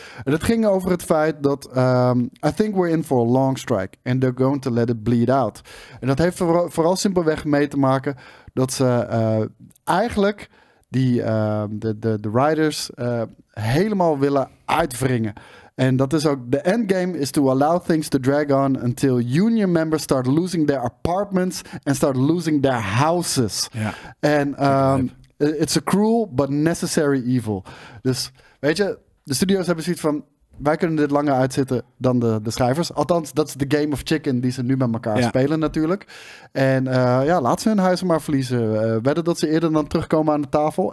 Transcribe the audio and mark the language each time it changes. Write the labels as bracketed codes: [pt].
[nl] En het ging over het feit dat [en] I think we're in for a long strike and they're going to let it bleed out. [nl] En dat heeft vooral simpelweg mee te maken dat ze eigenlijk die de writers helemaal willen uitwringen. En dat is ook, [en] the endgame is to allow things to drag on until union members start losing their apartments and start losing their houses. [nl] En [en] yeah. It's a cruel but necessary evil. [nl] Dus weet je, de studio's hebben zoiets van, wij kunnen dit langer uitzitten dan de schrijvers. Althans, dat is de game of chicken die ze nu met elkaar spelen natuurlijk. En laat ze hun huizen maar verliezen. Wedden dat ze eerder dan terugkomen aan de tafel.